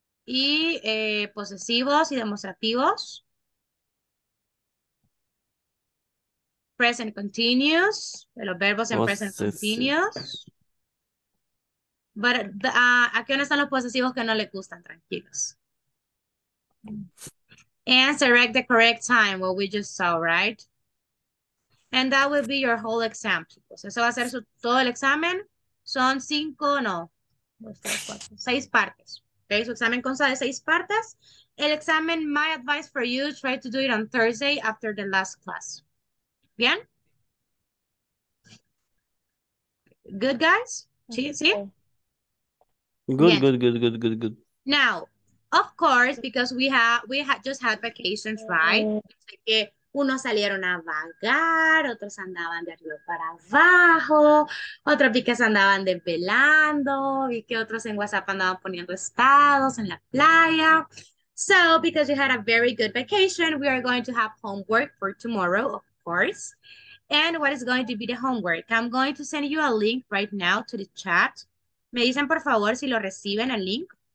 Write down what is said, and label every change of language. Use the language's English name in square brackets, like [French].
[Spanish] Y posesivos y demostrativos. Present continuous, de los verbos en present continuous. ¿A qué hora están los posesivos que no le gustan? Tranquilos. [English] And select the correct time, what we just saw, right? And that will be your whole exam. [Spanish] Pues eso va a ser todo el examen. Son 6 partes. Okay, su examen consta de 6 partes. El examen, [English] my advice for you, try to do it on Thursday after the last class. [Spanish] ¿Bien? [English] Good, guys? [Spanish] ¿Sí? [English] Good. Now, of course, because we just had vacations, right? [Spanish] Unos salieron a vagar, otros andaban de arriba para abajo, otros vi que se andaban desvelando, vi que otros en WhatsApp andaban poniendo estados en la playa. [English] So, because you had a very good vacation, we are going to have homework for tomorrow, of course. And what is going to be the homework? I'm going to send you a link right now to the chat. [Spanish] ¿Me dicen, por favor, si lo reciben el link?